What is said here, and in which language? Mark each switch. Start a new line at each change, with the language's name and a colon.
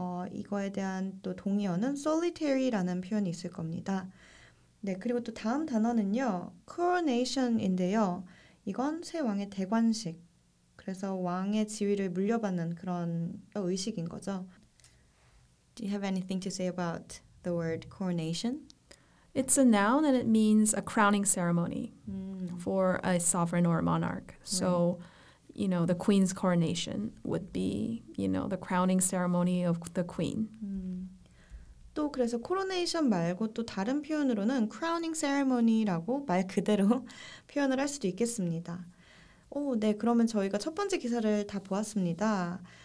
Korean: 이거에 대한 또 동의어는 solitary라는 표현이 있을 겁니다. 네, 그리고 또 다음 단어는요, coronation인데요. 이건 새 왕의 대관식, 그래서 왕의 지위를 물려받는 그런 의식인 거죠.
English: Do you have anything to say about the word coronation? It's a noun and it means a crowning ceremony for a sovereign or a monarch. So, you know, the queen's coronation would be, you know, the crowning ceremony of the queen.
Korean: 또 그래서 코로네이션 말고 또 다른 표현으로는 크라우닝 세레모니라고 말 그대로 표현을 할 수도 있겠습니다. 오, 네, 그러면 저희가 첫 번째 기사를 다 보았습니다.